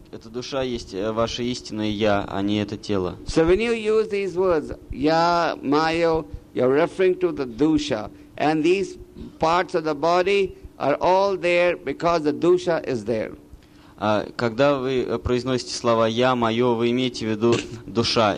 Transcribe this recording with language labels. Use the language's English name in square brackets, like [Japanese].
[Russian] Эта душа есть ваше истинное я, а не это тело. [English] So when you use these words, я, майо, you're referring to the душа. And these parts of the body are all there because the душа is there. [Russian] Когда вы произносите слова я, майо, вы имеете в виду душа.